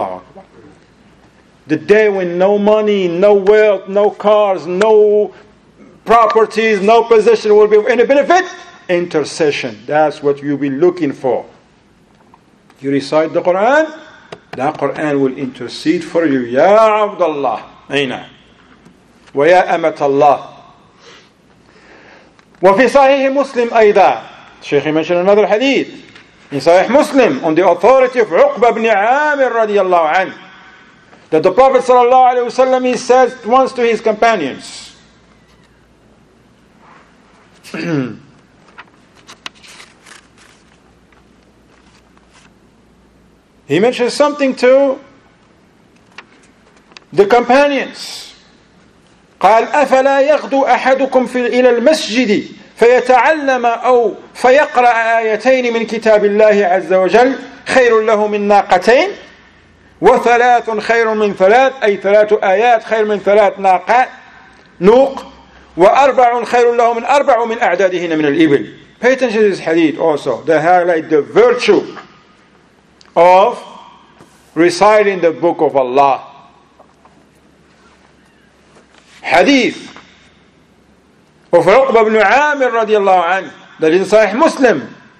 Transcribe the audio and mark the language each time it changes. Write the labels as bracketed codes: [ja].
[en] Allahu Akbar. The day when no money, no wealth, no cars, no properties, no possession will be of any benefit. Intercession. That's what you'll be looking for. You recite the Quran, that Quran will intercede for you. [ar] Ya Abdullah. Aina. ويا أمة الله وفي صحيح مسلم أيضا الشيخ [en] mentioned another hadith in [ar] صحيح مسلم [en] on the authority of [ar] عقبة بن عامر رضي الله عنه [en] that the Prophet [ar] صلى الله عليه وسلم [en] he says once to his companions he mentions something to the companions [ar] قال أفلا يغدو أحدكم في إلى المسجد فيتعلم أو فيقرأ آيتين من كتاب الله عز وجل خير له من ناقتين وثلاث خير من ثلاث أي ثلاث آيات خير من ثلاث ناقة نوق وأربع خير له من أربع من أعدادهن من الإبل. [en] Pay attention to this hadith also. They highlight the virtue of reciting the book of Allah. Hadith of Uqba ibn Amir radiallahu anhu, that is Sahih Muslim.